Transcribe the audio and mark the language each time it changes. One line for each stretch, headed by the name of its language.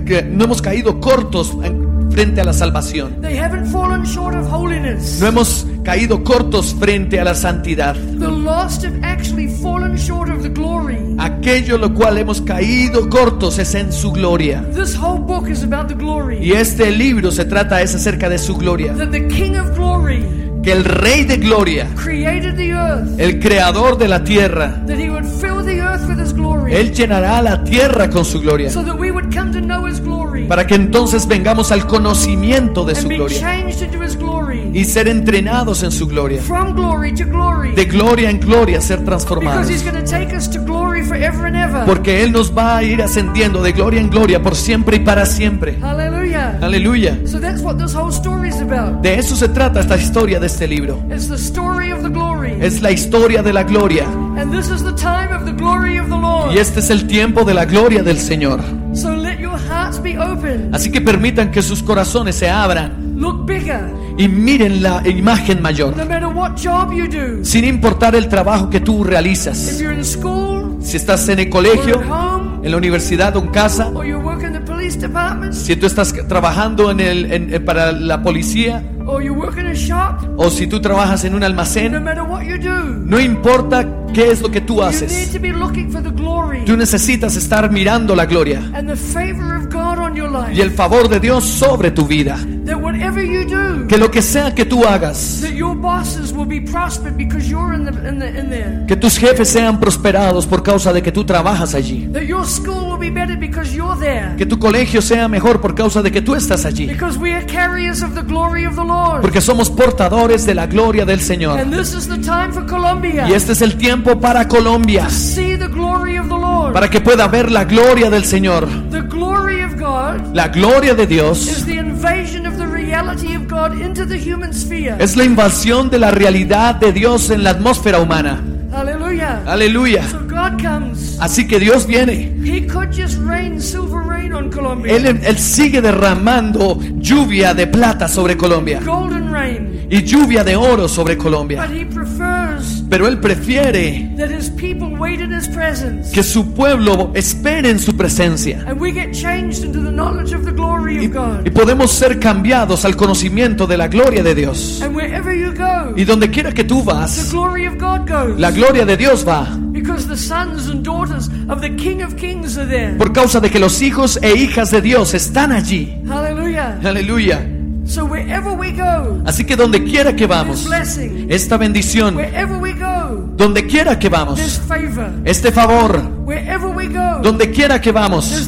Spanish: No hemos caído cortos frente a la salvación.
English: They haven't fallen short of holiness.
Spanish: No hemos caído cortos frente a la santidad.
English: The lost have actually fallen short of the glory.
Spanish: Aquello lo cual hemos caído cortos es en su gloria.
English: This whole book is about the glory.
Spanish: Y este libro se trata es acerca de su gloria.
English: That the King of Glory,
Spanish: que el Rey de Gloria,
English: created the earth,
Spanish: el Creador de la Tierra,
English: that he would fill the earth with his glory,
Spanish: Él llenará la Tierra con su gloria,
English: so that we would come to know his glory,
Spanish: para que entonces vengamos al conocimiento de
English: and
Spanish: su
English: be
Spanish: gloria
English: changed into his glory,
Spanish: y ser entrenados en su gloria,
English: from glory to glory,
Spanish: de gloria en gloria ser transformados,
English: because he's going to take us to glory forever and ever,
Spanish: porque Él nos va a ir ascendiendo de gloria en gloria por siempre y para siempre. Aleluya.
English: So that's what this whole story is about.
Spanish: De eso se trata esta historia de este libro.
English: It's the story of the glory.
Spanish: Es la historia de la gloria.
English: And this is the time of the glory of the Lord.
Spanish: Y este es el tiempo de la gloria del Señor.
English: So let your hearts be open.
Spanish: Así que permitan que sus corazones se abran.
English: Look bigger.
Spanish: Y miren la imagen mayor.
English: No matter what job you do.
Spanish: Sin importar el trabajo que tú realizas.
English: If you're in school,
Spanish: si estás en el colegio,
English: or at home,
Spanish: en la universidad o en casa,
English: or you're working the police department,
Spanish: si tú estás trabajando para la policía,
English: or you work in a shop,
Spanish: o si tú trabajas en un almacén,
English: no matter what you do,
Spanish: no importa qué es lo que tú haces,
English: you need to be looking for the glory,
Spanish: tú necesitas estar mirando la gloria,
English: and the favor of God on your life,
Spanish: y el favor de Dios sobre tu vida,
English: that whatever you do,
Spanish: que lo que sea que tú hagas,
English: that your bosses will be prospered because you're in there,
Spanish: que tus jefes sean prosperados por causa de que tú trabajas allí,
English: that your school will be better because you're there,
Spanish: que tu colegio sea mejor por causa de que tú estás allí,
English: because we are carriers of the glory of the Lord,
Spanish: porque somos portadores de la gloria del Señor,
English: and this is the time for Colombia,
Spanish: y este es el tiempo para Colombia,
English: to see the glory of the Lord,
Spanish: para que pueda ver la gloria del Señor,
English: the glory of God,
Spanish: la gloria de Dios,
English: is the invasion of the reality of God into the human sphere.
Spanish: Es la invasión de la realidad de Dios en la atmósfera humana. Aleluya. Aleluya.
English: So God comes.
Spanish: Así que Dios viene.
English: He could just rain silver rain on Colombia.
Spanish: Él sigue derramando lluvia de plata sobre Colombia.
English: Golden rain.
Spanish: Y lluvia de oro sobre Colombia.
English: But he prefers,
Spanish: pero él prefiere,
English: that his people wait in his presence,
Spanish: que su pueblo espere en su presencia,
English: and we get changed into the knowledge of the glory of God,
Spanish: y podemos ser cambiados al conocimiento de la gloria de Dios,
English: and wherever you go,
Spanish: y donde quiera que tú vas,
English: the glory of God goes,
Spanish: la gloria de Dios va,
English: because the sons and daughters of the King of Kings are there,
Spanish: por causa de que los hijos e hijas de Dios están allí.
English: Hallelujah. Hallelujah. So wherever we go,
Spanish: así que donde quiera que vamos,
English: blessing,
Spanish: esta bendición,
English: wherever we go,
Spanish: donde quiera que vamos,
English: favor,
Spanish: este favor,
English: wherever we go,
Spanish: donde quiera que vamos,